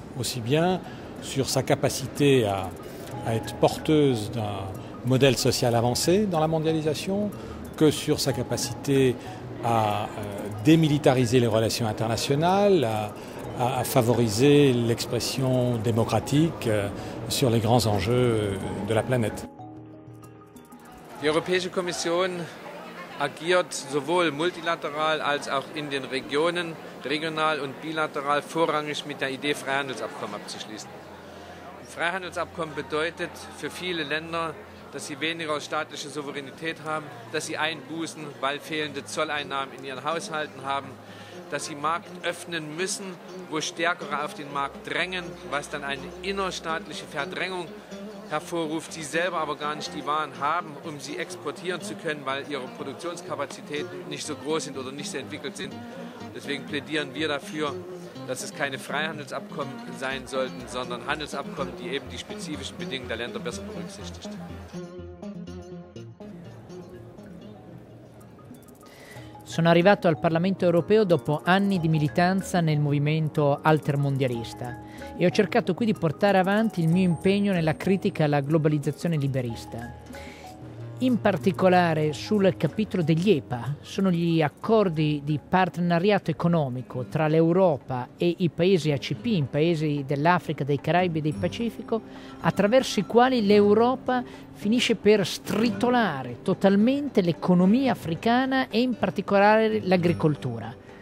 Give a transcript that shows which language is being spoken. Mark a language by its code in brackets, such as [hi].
[fr] Aussi bien sur sa capacité à être porteuse d'un modèle social avancé dans la mondialisation, que sur sa capacité à démilitariser les relations internationales, à favoriser l'expression démocratique sur les grands enjeux de la planète. [de] L'Europäische Kommission agiert sowohl multilateral als auch in den Regionen, regional und bilateral, vorrangig mit der Idee, Freihandelsabkommen abzuschließen. Ein Freihandelsabkommen bedeutet für viele Länder, dass sie weniger staatliche Souveränität haben, dass sie einbußen, weil fehlende Zolleinnahmen in ihren Haushalten haben, dass sie Markt öffnen müssen, wo Stärkere auf den Markt drängen, was dann eine innerstaatliche Verdrängung hervorruft, sie selber aber gar nicht die Waren haben, um sie exportieren zu können, weil ihre Produktionskapazitäten nicht so groß sind oder nicht so entwickelt sind. Deswegen plädieren wir dafür, dass es keine Freihandelsabkommen sein sollten, sondern Handelsabkommen, die eben die spezifischen Bedingungen der Länder besser berücksichtigt. [it] Sono arrivato al Parlamento europeo dopo anni di militanza nel movimento altermondialista e ho cercato qui di portare avanti il mio impegno nella critica alla globalizzazione liberista. In particolare sul capitolo degli EPA, sono gli accordi di partenariato economico tra l'Europa e i paesi ACP, i paesi dell'Africa, dei Caraibi e del Pacifico, attraverso i quali l'Europa finisce per stritolare totalmente l'economia africana e in particolare l'agricoltura.